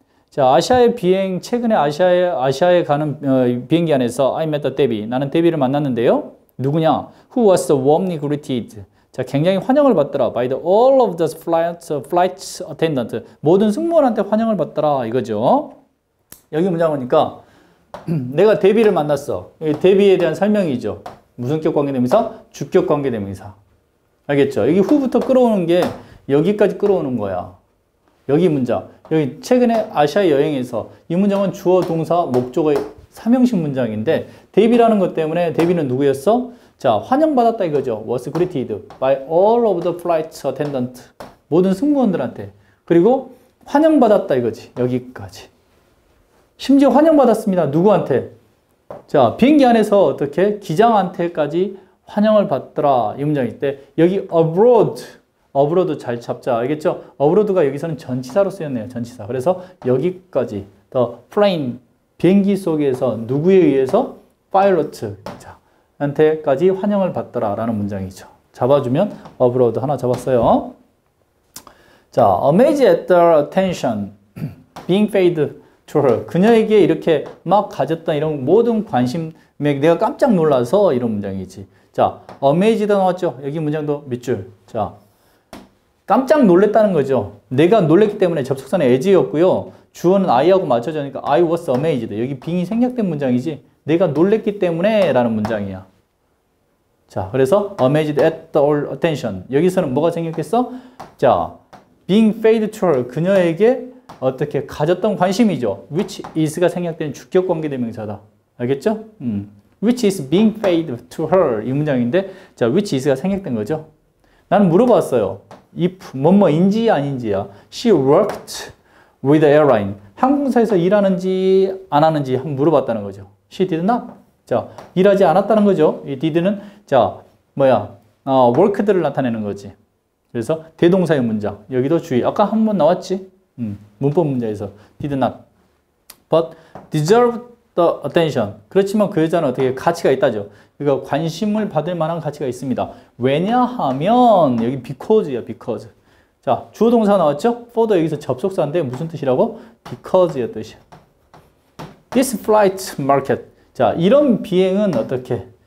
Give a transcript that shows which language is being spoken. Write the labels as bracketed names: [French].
[Korean] 자, 아시아의 비행, 최근에 아시아에 가는 비행기 안에서 [English] I met the Debbie. [Korean] 나는 데뷔를 만났는데요. 누구냐? [English] Who was warmly greeted? [Korean] 자, 굉장히 환영을 받더라. [English] By the all of the flight attendant. [Korean] 모든 승무원한테 환영을 받더라. 이거죠. 여기 문장 보니까 내가 데뷔를 만났어. 데뷔에 대한 설명이죠. 무슨격 관계대명사? 주격 관계대명사. 알겠죠? 여기 후부터 끌어오는 게 여기까지 끌어오는 거야. 여기 문장. 여기 최근에 아시아 여행에서 이 문장은 주어, 동사, 목적어의 3형식 문장인데, 데뷔라는 것 때문에 데뷔는 누구였어? 자, 환영받았다 이거죠. [English] Was greeted by all of the flight attendant. [Korean] 모든 승무원들한테. 그리고 환영받았다 이거지. 여기까지. 심지어 환영받았습니다. 누구한테? 자, 비행기 안에서 어떻게? 기장한테까지 환영을 받더라. 이 문장일 때, 여기 abroad. abroad 잘 잡자. 알겠죠? abroad가 여기서는 전치사로 쓰였네요. 전치사. 그래서 여기까지. [English] The plane. [Korean] 비행기 속에서 누구에 의해서? [English] pilot. [Korean] 한테까지 환영을 받더라라는 문장이죠. 잡아주면 abroad 하나 잡았어요. [English] 자, amazed at the attention being paid to her. [Korean] 그녀에게 이렇게 막 가졌던 이런 모든 관심에 내가 깜짝 놀라서 이런 문장이지. 자, amazed 나왔죠? 여기 문장도 몇 줄. 자, 깜짝 놀랬다는 거죠. 내가 놀랬기 때문에 접속사는 as였고요. 주어는 I하고 맞춰지니까 [English] I was amazed. [Korean] 여기 빙이 생략된 문장이지. 내가 놀랬기 때문에 라는 문장이야. [English] 자, 그래서 amazed at all attention. [Korean] 여기서는 뭐가 생겼겠어? [English] 자, being paid to her. [Korean] 그녀에게 어떻게 가졌던 관심이죠. which is가 생략된 주격 관계대명사다. 알겠죠? [English] which is being paid to her. [Korean] 이 문장인데, 자, which is가 생략된 거죠. 나는 물어봤어요. if 뭐뭐인지 아닌지야. [English] she worked with the airline. [Korean] 항공사에서 일하는지 안 하는지 한번 물어봤다는 거죠. [English] she did not. [Korean] 자, 일하지 않았다는 거죠. 이 did는, 자, 뭐야, worked를 나타내는 거지. 그래서 대동사의 문장. 여기도 주의. 아까 한번 나왔지. 문법 문제에서 did not. [English] but deserved the attention. [Korean] 그렇지만 그 여자는 어떻게 가치가 있다죠. 그러니까 관심을 받을 만한 가치가 있습니다. 왜냐하면, 여기 because야, because. 자, 주어 동사 나왔죠? for도 여기서 접속사인데 무슨 뜻이라고? because의 뜻이야. [English] This flight market. [Korean] 자, 이런 비행은 어떻게?